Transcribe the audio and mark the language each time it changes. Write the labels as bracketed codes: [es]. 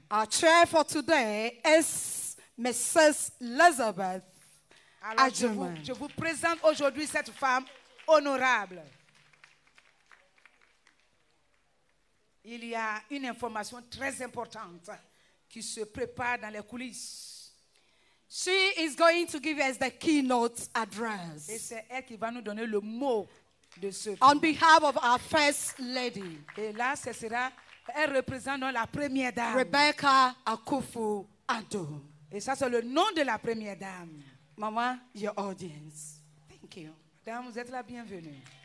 [en] our chair for today is Mrs. Elizabeth Adjumine. [fr] Je vous présente aujourd'hui cette femme honorable. Il y a une information très importante qui se prépare dans les coulisses. [en] She is going to give us the keynote address. [fr] Et c'est elle qui va nous donner le mot de ce. [en] On behalf of our first lady. [fr] Et là, ce sera. Elle représente la première dame. [en] Rebecca Akufo-Addo. [fr] Et ça, c'est le nom de la première dame. [en] Maman, your audience. Thank you. [fr] Madame, vous êtes la bienvenue.